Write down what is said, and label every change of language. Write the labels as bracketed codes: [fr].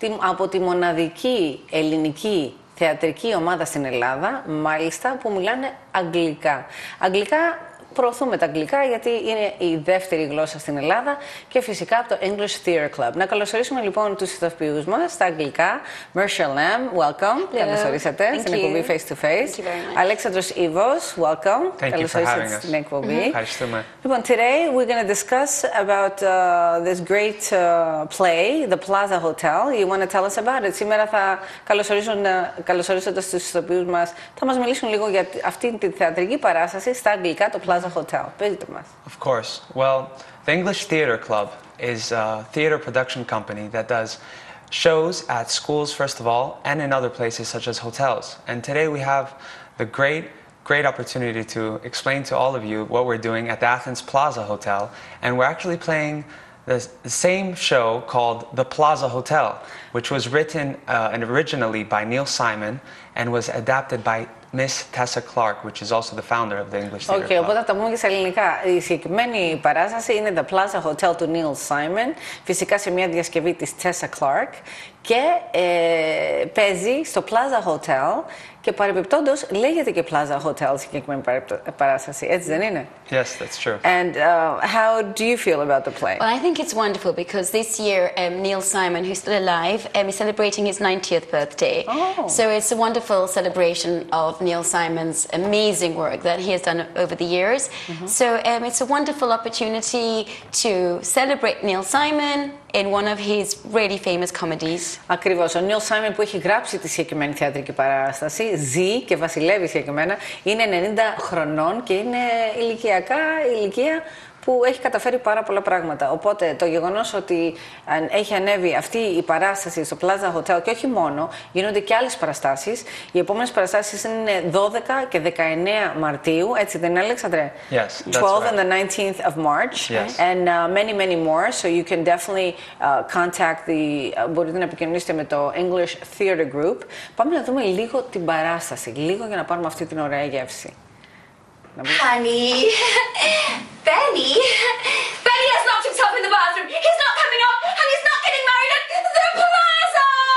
[el] Από τη μοναδική ελληνική θεατρική ομάδα στην Ελλάδα, μάλιστα, που μιλάνε αγγλικά. Αγγλικά, προωθούμε τα αγγλικά, γιατί είναι η δεύτερη γλώσσα στην Ελλάδα και φυσικά από το English Theatre Club. Να καλωσορίσουμε λοιπόν τους ηθοποιούς μας στα αγγλικά. [en] Mercia Lam, welcome. Yeah. [el] Καλωσορίσατε στην εκπομπή Face to Face. [en] Thank you very much. Alexandros Ivos, welcome. Thank you for having us. [el] Στην εκπομπή. Ευχαριστούμε. [en] Λοιπόν, today we're going to discuss about this great play, The Plaza Hotel. You want to tell us about it? [el] Σήμερα θα καλωσορίσοντας τους ηθοποιούς μας, θα μας μιλήσουν λίγο για αυτή τη θεατρική παράσταση στα αγγλικά, το Plaza Hotel. [en] Of course. Well, the English Theatre Club is a theater production company that does shows at schools, first of all, and in other places such as hotels. And today we have the great, great opportunity to explain to all of you what we're doing at the Athens Plaza Hotel. And we're actually playing the same show called The Plaza Hotel, which was written originally by Neil Simon and was adapted by Miss Tessa Clark, which is also the founder of the English Theatre Club. [el] Οπότε θα τα πούμε και στα ελληνικά. Η συγκεκριμένη παράσταση είναι The Plaza Hotel του Neil Simon, φυσικά σε μια διασκευή της Tessa Clark. Και παίζει στο Plaza Hotel και παρεμπιπτόντως λέγεται και Plaza Hotel συγκεκριμένη παράσταση. Έτσι δεν είναι? [en] Yes, that's true. And how do you feel about the play? Well, I think it's wonderful because this year Neil Simon, who's still alive, is celebrating his 90th birthday. Oh. So it's a wonderful celebration of Neil Simon's amazing work that he has done over the years. Mm-hmm. So it's a wonderful opportunity to celebrate Neil Simon in one of his really famous comedies. [el] Ακριβώς. Ο Νίλ Σάιμον που έχει γράψει τη συγκεκριμένη θεατρική παράσταση ζει και βασιλεύει συγκεκριμένα. Είναι 90 χρονών και είναι ηλικιακά ηλικία που έχει καταφέρει πάρα πολλά πράγματα. Οπότε το γεγονός ότι έχει ανέβει αυτή η παράσταση στο Plaza Hotel και όχι μόνο, γίνονται και άλλες παραστάσεις. Οι επόμενες παραστάσεις είναι 12 και 19 Μαρτίου, έτσι δεν είναι, Αλέξανδρε? [en] Yes, that's 12 right. And the 19th of March. Yes. And many, many more, so you can definitely contact the... [el] μπορείτε να επικοινωνήσετε με το English Theatre Group. Πάμε να δούμε λίγο την παράσταση, λίγο για να πάρουμε αυτή την ωραία γεύση. [en] Honey, Benny, Benny has locked himself in the bathroom. He's not coming up, and he's not getting married at the Plaza.